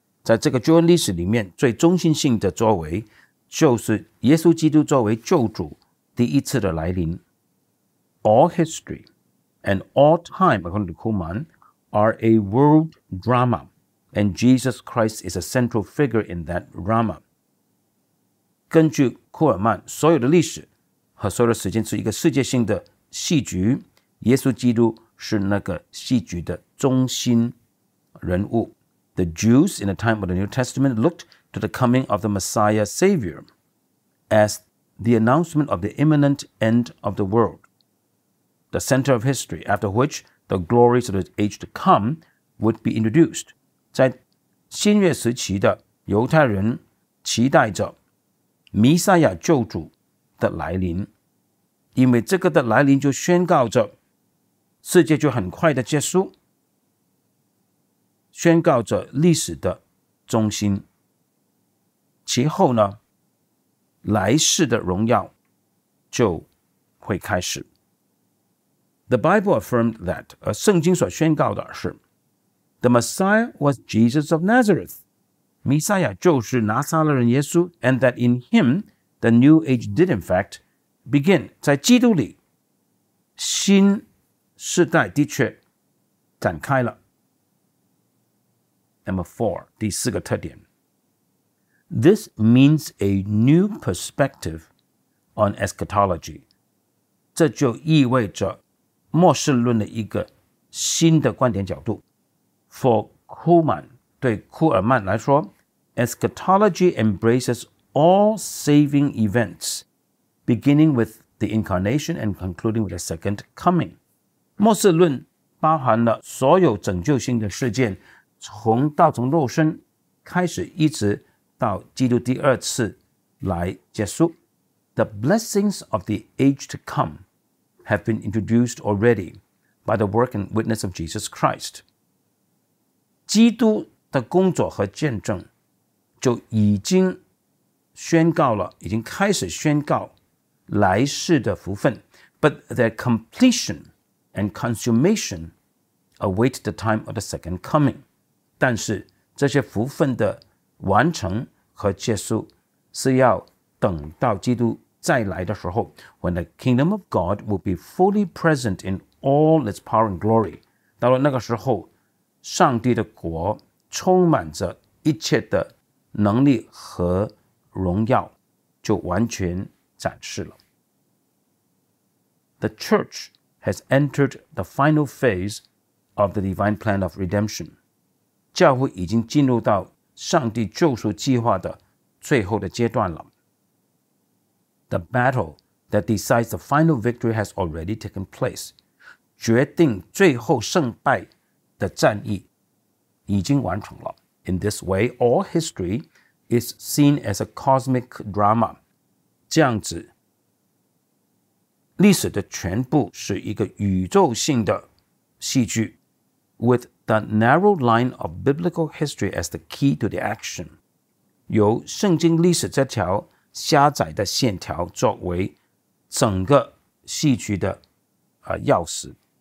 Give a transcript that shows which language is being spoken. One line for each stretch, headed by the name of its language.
Chinese: 在这个救恩历史里面最中心性的作为就是耶稣基督作为救主第一次的来临。
English: All history and all time, according to Kuhlmann, are a world drama, and Jesus Christ is a central figure in that drama.
Chinese: 根据库尔曼，所有的历史和所有的时间是一个世界性的戏剧，耶稣基督是那个戏剧的中心人物。
English: The Jews in the time of the New Testament looked to the coming of the Messiah Savior as the announcement of the imminent end of the world, the center of history, after which the glories of the age to come would be introduced.
Chinese: 在新约时期的犹太人期待着弥赛亚救主的来临，因为这个的来临就宣告着世界就很快的结束，宣告着历史的中心，其后呢，来世的荣耀就会开始。
English: The Bible affirmed that,
Chinese: 而圣经所宣告的是
English: The Messiah was Jesus of Nazareth,
Chinese: 弥赛亚就是拿撒勒人耶稣
English: and that in him, the new age did in fact begin,
Chinese: 在基督里新世代的确展开了。
English: Number four,
Chinese: 第四个特点。
English: This means a new perspective on eschatology.
Chinese: 这就意味着末世论的一个新的观点角度。
English: For Kuhlman,
Chinese: 对库尔曼来说
English: eschatology embraces all saving events, beginning with the incarnation and concluding with the second coming.
Chinese: 末世论包含了所有拯救性的事件，从道成肉身开始，一直到基督第二次来结束。
English: The blessings of the age to come have been introduced already by the work and witness of Jesus Christ.
Chinese: 基督的工作和见证就已经宣告了，已经开始宣告来世的福分。
English: But their completionand consummation await the time of the second coming.
Chinese: 但是这些福分的完成和结束是要等到基督再来的时候
English: when the kingdom of God will be fully present in all its power and glory.
Chinese: 到了那个时候上帝的国充满着一切的能力和荣耀就完全展示了。
English: The churchhas entered the final phase of the divine plan of redemption.
Chinese: 教会已经进入到上帝救赎计划的最后的阶段了。
English: The battle that decides the final victory has already taken place.
Chinese: 决定最后胜败的战役已经完成了。
English: In this way, all history is seen as a cosmic drama.
Chinese: 这样子历史的全部是一个宇宙性的戏剧
English: with the narrow line of biblical history as the key to the action
Chinese: 由圣经历史这条狭窄的线条作为整个戏剧的钥匙